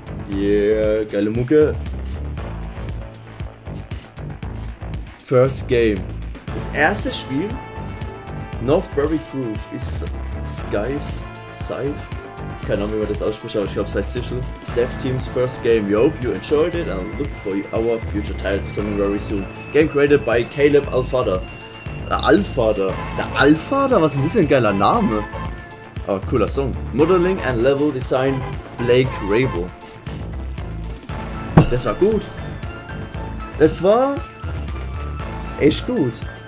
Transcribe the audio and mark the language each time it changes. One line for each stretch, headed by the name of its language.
German: Yeah, geile Mucke.
English: First Game.
German: Das erste Spiel. Northbury Grove ist Scythe, Scythe, keine Ahnung wie man das ausspricht, aber ich glaube es heißt Sichel.
English: Dev Team's first game, we hope you enjoyed it and look for our future titles coming very soon. Game created by Caleb Alfader. Der Alfader?
German: Was ist denn das für ein geiler Name? Aber cooler Song.
English: Modeling and Level Design, Blake Rabel.
German: Das war gut. Das war echt gut.